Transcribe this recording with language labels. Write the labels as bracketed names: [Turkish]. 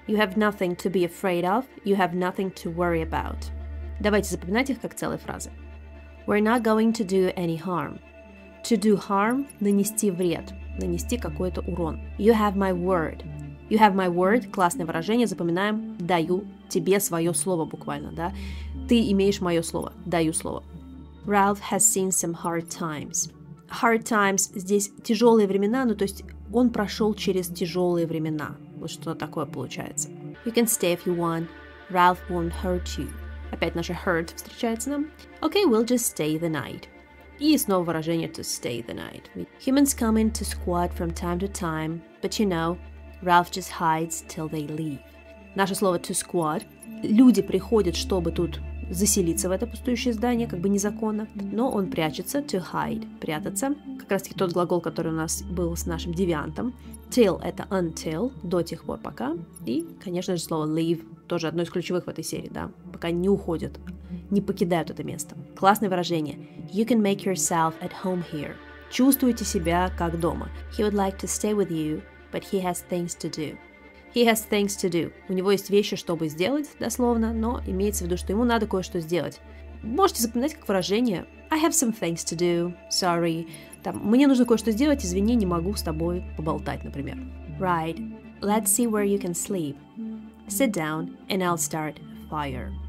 [English] You have nothing to be afraid of, you have nothing to worry about. [Russian] Давайте запоминать их как целые фразы. [English] We're not going to do any harm. To do harm – [Russian] нанести вред, нанести какой-то урон. [English] You have my word. You have my word, [Russian] классное выражение, запоминаем, даю тебе свое слово буквально, да? Ты имеешь мое слово, даю слово. [English] Ralph has seen some hard times. [Russian] Hard times, здесь тяжелые времена, ну то есть он прошел через тяжелые времена. Вот что такое получается. [English] You can stay if you want, Ralph won't hurt you. [Russian] Опять наше hurt встречается нам. [English] Okay, we'll just stay the night. [Russian] И снова выражение [English] to stay the night. Humans come in to squat from time to time, but you know... Ralph just hides till they leave. [Russian] Наше слово [English] to squat [Russian] люди приходят, чтобы тут заселиться в это пустующее здание, как бы незаконно, но он прячется, to hide, прятаться, как раз-таки тот глагол, который у нас был с нашим девиантом. Till — это until, до тех пор, пока. И, конечно же, слово leave тоже одно из ключевых в этой серии, да, пока не уходят, не покидают это место. Классное выражение. [English] You can make yourself at home here. [Russian] Чувствуете себя как дома. [English] He would like to stay with you, but he has things to do. He has things to do. [Russian] У него есть вещи, чтобы сделать, дословно, но имеется в виду, что ему надо кое-что сделать. Можете запоминать как выражение [English] I have some things to do, sorry. [Russian] Там, мне нужно кое-что сделать, извини, не могу с тобой поболтать, например. [English] Right, let's see where you can sleep. Sit down and I'll start a fire.